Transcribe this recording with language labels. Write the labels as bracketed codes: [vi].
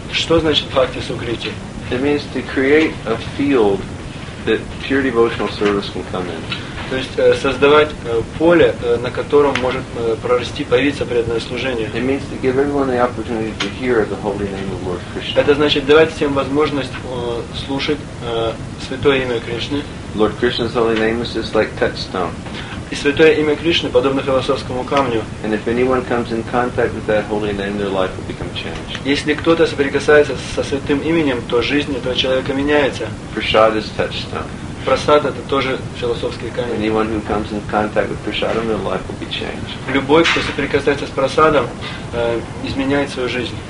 [ru] Что значит бхакти сукрити? [en] It means to create a field that pure devotional service can come in. [ru] То есть создавать поле, на котором может прорасти, появиться преданное служение. [en] It means to give everyone the opportunity to hear the holy name of Lord Krishna. [ru] Это значит давать всем возможность слушать святое имя Кришны. [en] Lord Krishna's holy name is just like touchstone. [ru] И святое имя Кришны подобно философскому камню. [en] And if anyone comes in contact with that holy name, their life will become changed. [ru] Если кто-то соприкасается со святым именем, то жизнь этого человека меняется. [en] Prasad is touchstone. [ru] Прасад – это тоже философский камень. [en] Anyone who comes in contact with prasadam, their life will be changed. [ru] Любой, кто соприкасается с прасадом, изменяет свою жизнь.